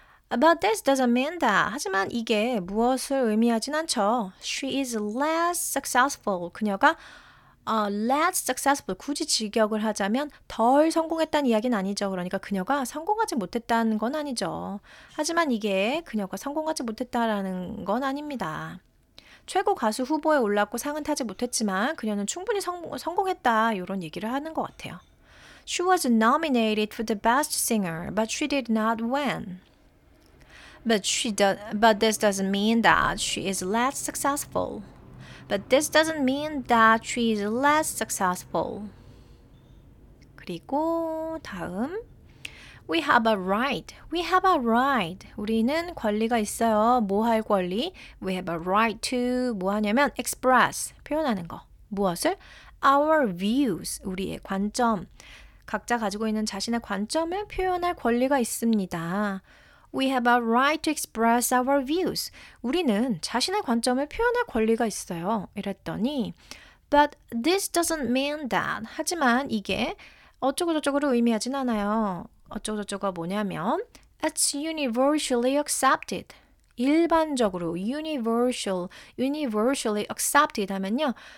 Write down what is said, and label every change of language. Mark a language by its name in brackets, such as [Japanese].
[English] but this doesn't mean that [Korean] 하지만 이게 무엇을 의미하진 않죠 [English] she is less successful [Korean] 그녀가 [English] less successful, [Korean] 굳이 직역을 하자면 덜 성공했다는 이야기는 아니죠. 그러니까 그녀가 성공하지 못했다는 건 아니죠. 하지만 이게 그녀가 성공하지 못했다는 건 아닙니다. 최고 가수 후보에 올랐고 상은 타지 못했지만 그녀는 충분히 성공했다 이런 얘기를 하는 것 같아요. [English] She was nominated for the best singer, but she did not win. But this doesn't mean that she is less successful. But this doesn't mean that she is less successful. [Korean] 그리고 다음 [English] We have a right. We have a right. [Korean] 우리는 권리가 있어요. 뭐 할 권리? [English] We have a right to [Korean] 뭐 하냐면 express 표현하는 거. 무엇을? [English] Our views. [Korean] 우리의 관점. 각자 가지고 있는 자신의 관점을 표현할 권리가 있습니다. [English] We have a right to express our views. [Korean] 우리는 자신의 관점을 표현할 권리가 있어요. 이랬더니 [English] But this doesn't mean that. [Korean] 하지만 이게 어쩌고저쩌고를 의미하진 않아요. 어쩌고저쩌고가 뭐냐면 [English] It's universally accepted. [Korean] 일반적으로 [English] universally accepted [Korean] 하면요.